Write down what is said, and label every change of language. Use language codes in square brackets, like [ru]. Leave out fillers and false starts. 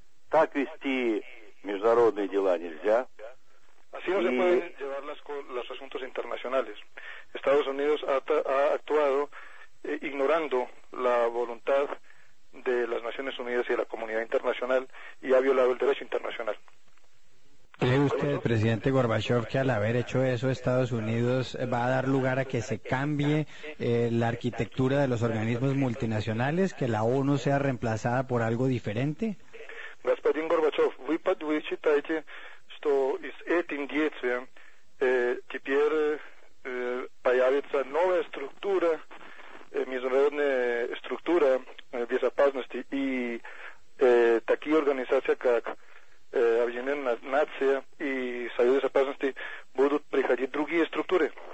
[ru] Так вести международные дела нельзя. [es] Así no se pueden llevar los asuntos internacionales. Estados Unidos ha actuado ignorando la voluntad de las Naciones Unidas y de la comunidad internacional y ha violado el derecho internacional. ¿Cree usted, presidente Gorbachev, que al haber hecho eso, Estados Unidos va a dar lugar a que se cambie la arquitectura de los organismos multinacionales, que la ONU sea reemplazada por algo diferente? [ru] Господин Горбачев, вы считаете, что с этим действием теперь появится новая структура, международная структура безопасности и такие организации, как Объединенная нация и Совет безопасности, будут приходить другие структуры?